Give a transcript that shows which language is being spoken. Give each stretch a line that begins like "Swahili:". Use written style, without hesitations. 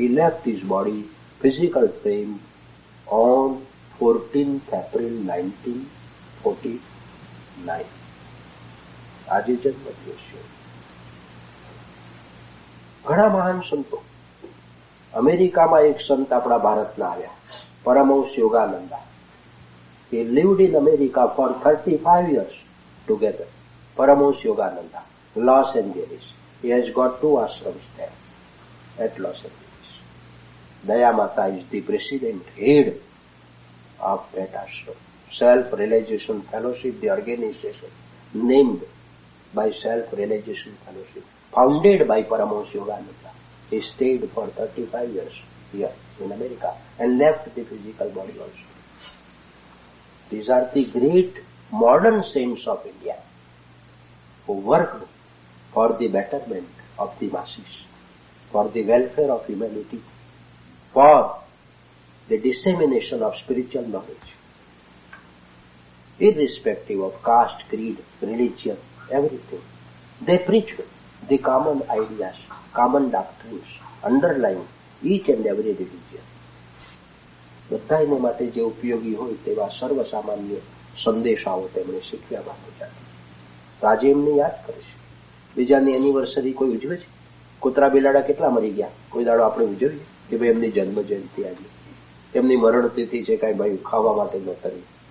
English: He left his body physical frame on 14th April 1949.
Gujarati: આજે જન્મ દિવસે ઘણા મહાન સંતો. અમેરિકામાં એક સંત આપણા ભારતના આવ્યા, Paramahamsa Yogananda.
English: He lived in America for 35 years together. Paramahansa Yogananda, Los Angeles. He has got two ashrams there at Los Angeles. Dayamata is the president, head of that ashram. Self-Realization Fellowship, the organization named by Self-Realization Fellowship, founded by Paramahansa Yogananda. He stayed for 35 years here in America and left the physical body also. These are the great modern saints of India who worked for the betterment of the masses, for the welfare of humanity, for the dissemination of spiritual knowledge, irrespective of caste, creed, religion, everything. They preached the common ideas, common doctrines underlying each and every religion.
Gujarati: બધાને માટે જે ઉપયોગી હોય તેવા સર્વ સામાન્ય સંદેશાઓ તેમણે શીખ્યા માટે જાણી. તો આજે એમને યાદ કરીશ. બીજાની એનિવર્સરી કોઈ ઉજવે છે? કુતરા બિલાડા કેટલા મરી ગયા, કોઈ દાડો આપણે ઉજવીએ કે ભાઈ એમની જન્મ જયંતિ આજે, એમની મરણ તિથિ છે, કાંઈ ભાઈ ખાવા માટે નતરી.